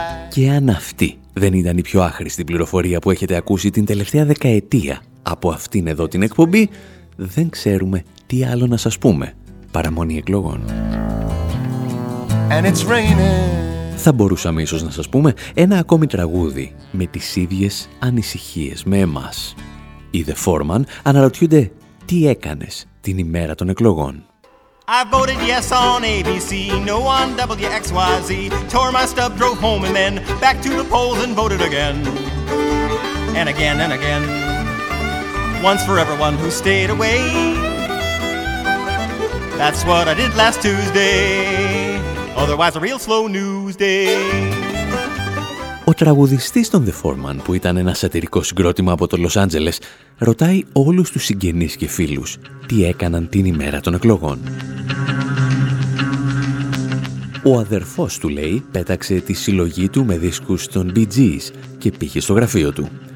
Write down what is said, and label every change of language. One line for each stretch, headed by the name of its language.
Greek: Και αν αυτή δεν ήταν η πιο άχρηστη πληροφορία που έχετε ακούσει την τελευταία δεκαετία από αυτήν εδώ την εκπομπή, δεν ξέρουμε τι άλλο να σας πούμε, παραμονή εκλογών.
English: And it's raining.
Greek: Θα μπορούσαμε ίσως να σας πούμε ένα ακόμη τραγούδι με τις ίδιες ανησυχίες με εμάς. Οι The Foreman αναρωτιούνται τι έκανες την ημέρα των εκλογών.
English: I voted yes on ABC, no on WXYZ. Tore my stub, drove home and then back to the polls and voted again. And again and again. Once for everyone who stayed away. That's what I did last Tuesday. Otherwise a real slow news day.
Greek: Ο τραγουδιστής των The Foreman, που ήταν ένα σατυρικό συγκρότημα από το Λος Άντζελες, ρωτάει όλους τους συγγενείς και φίλους τι έκαναν την ημέρα των εκλογών. Ο αδερφός του, λέει, πέταξε τη συλλογή του με δίσκους των Bee Gees και πήγε στο γραφείο του.